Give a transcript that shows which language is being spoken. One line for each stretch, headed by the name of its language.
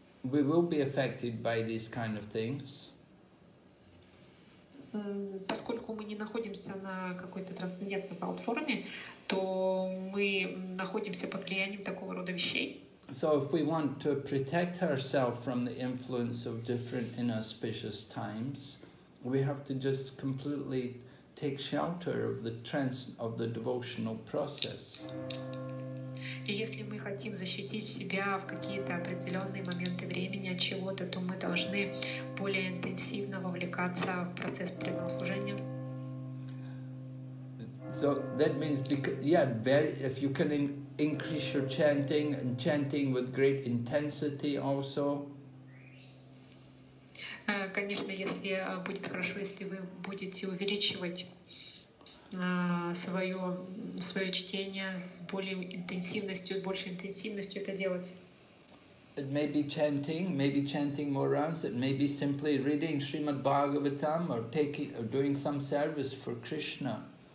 English: we will be affected by these kind of things.
Russian: Поскольку мы не находимся на какой-то трансцендентной платформе, то мы находимся под влиянием такого рода вещей.
English: So if we want to protect ourselves from the influence of different inauspicious times, we have to just completely take shelter of the devotional process.
Russian: И если мы хотим защитить себя в какие-то определенные моменты времени от чего-то, то мы должны более интенсивно вовлекаться в процесс преданного служения.
English: So that means, if you can increase your chanting and chanting with great intensity also.
Russian: Конечно, если будет хорошо, если вы будете увеличивать свое чтение с более интенсивностью, с большей интенсивностью это делать.
English: It may be chanting, maybe chanting more rounds. It may be simply reading Srimad Bhagavatam or doing some service for Krishna.